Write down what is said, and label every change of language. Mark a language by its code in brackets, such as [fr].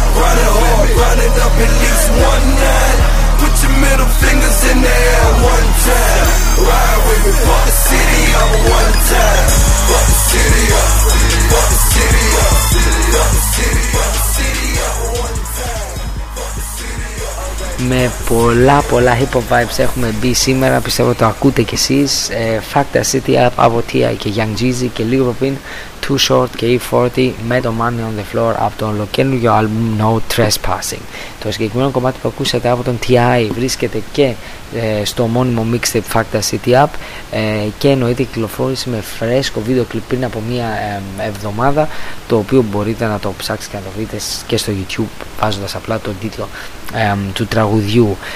[en] Run it hard, run it up at least one night. Put your middle fingers in the air one time. Ride with me, fuck the city up one time. Fuck the city up, fuck the city up. [el] Με πολλά hip hop vibes έχουμε μπει σήμερα. Πιστεύω το ακούτε κι εσείς. Factor City από Tia και Young Jeezy. Και λίγο πριν Too Short, K40, Metal Money on the Floor από το καινούργιο album No Trespassing. Το συγκεκριμένο κομμάτι που ακούσατε από τον TI βρίσκεται και στο μόνιμο mixtape Fakta City App και εννοείται κυκλοφόρηση με φρέσκο βίντεο κλιπ πριν από μία εβδομάδα, το οποίο μπορείτε να το ψάξετε και να το δείτε και στο YouTube βάζοντας απλά τον τίτλο του τραγουδιού.